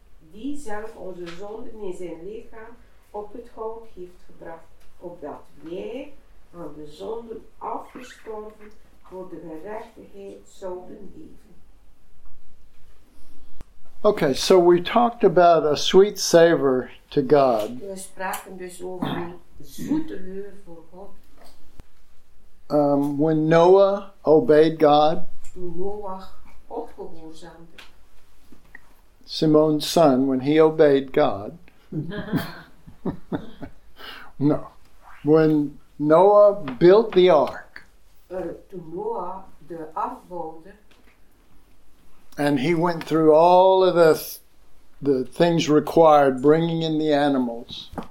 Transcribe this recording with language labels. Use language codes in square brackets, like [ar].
[nl] Die zelf onze zonden in zijn lichaam op het hout heeft gebracht, opdat wij aan de zonden afgestorven voor de gerechtigheid zouden leven. [en] Okay, so we talked about a sweet savor to God. [nl] We spraken dus over een zoete geur voor God. [en] When Noah obeyed God, [nl] toen Noah opgehoorzaamde. [en] Simone's son, when he obeyed God. No. When Noah built the ark. [nl] Toen Noah de ark bouwde. [en] And he went through all of the things required, bringing in the animals.